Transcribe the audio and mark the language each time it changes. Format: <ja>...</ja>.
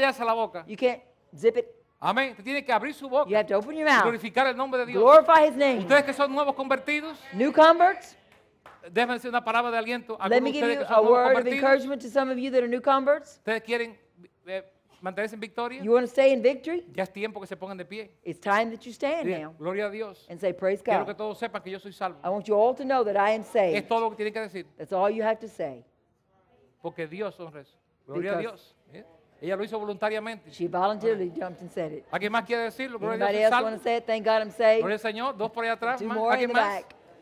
<es>Callarse la boca.</es> <en>You can't zip it.</en> <es>Amén. Usted tiene que abrir su boca.</es> <en>You have to open your mouth.</en> <es>Glorificar el nombre de Dios.</es> <en>Glorify his name.</en> <es>Ustedes que son nuevos convertidos.</es> <en>New converts.</en> <es>Déjenme decir una palabra de aliento.</es> <en>Let me give you a word of encouragement to some of you that are new converts.</en> <es>Ustedes quieren mantenerse en victoria.</es> <en>You want to stay in victory.</en> <es>Ya es tiempo que se pongan de pie.</es> <en>It's time that you stand now.</en> <es>Gloria a Dios.</es> <en>And say praise God.</en> <es>Quiero que todos sepan que yo soy salvo.</es> <en>I want you all to know that I am saved.</en> <es>Es todo lo que tienen que decir.</es> <en>That's all you have to say.</en> <es>Porque Dios honra eso. Gloria a Dios. Ella lo hizo voluntariamente.</es> <en>She voluntarily jumped and said it.</en> <es>¿A quién más quiere decirlo?</es> <en>Anybody else want to say it? Thank God I'm saved.</en> <es>Gloria al Señor. Dos por allá atrás.</es> <en>Two more in the back.</en>